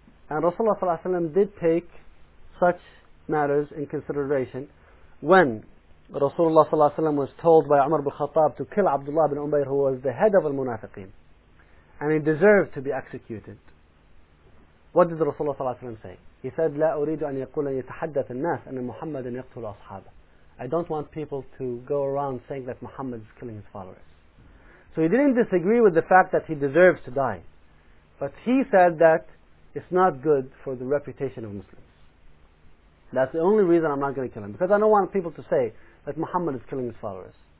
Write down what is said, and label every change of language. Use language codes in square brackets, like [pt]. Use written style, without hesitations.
[en] And Rasulullah ﷺ did take such matters in consideration when Rasulullah ﷺ was told by Umar ibn Khattab to kill Abdullah ibn Umayr, who was the head of al-Munafiqeen, and he deserved to be executed. What did Rasulullah ﷺ say? [ar] He said, لا أريد أن يقول أن يتحدث الناس أن محمد يقتل أصحابه. [en] I don't want people to go around saying that Muhammad is killing his followers. So he didn't disagree with the fact that he deserves to die. But he said that it's not good for the reputation of Muslims. That's the only reason I'm not going to kill him. Because I don't want people to say that Muhammad is killing his followers.